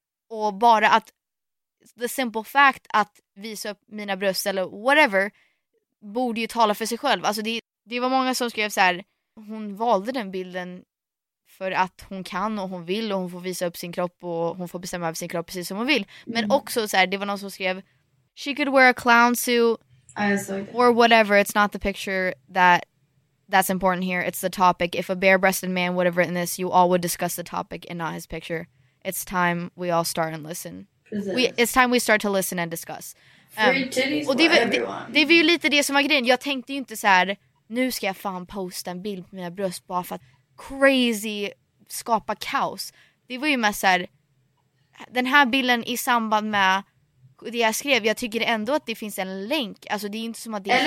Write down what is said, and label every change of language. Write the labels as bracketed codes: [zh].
[sv] Och bara att, the simple fact att visa upp mina bröst eller whatever, borde ju tala för sig själv. Alltså det var många som skrev så här, hon valde den bilden för att hon kan och hon vill och hon får visa upp sin kropp och hon får bestämma över sin kropp precis som hon vill. Men också så här, det var någon som skrev, [en] she could wear a clown suit. Or whatever, it's not the picture that's important here, it's the topic. If a bare-breasted man would have written this, you all would discuss the topic and not his picture. It's time we all start and listen. It's time we start to listen and discuss. Free titties for everyone. [sv] Det var ju lite det som var grejen. Jag tänkte ju inte såhär, nu ska jag fan posta en bild på mina bröst bara för att crazy skapa kaos. Det var ju mest såhär, den här bilden i samband med det jag skrev, jag tycker ändå att det finns en länk. Alltså det är inte som att det är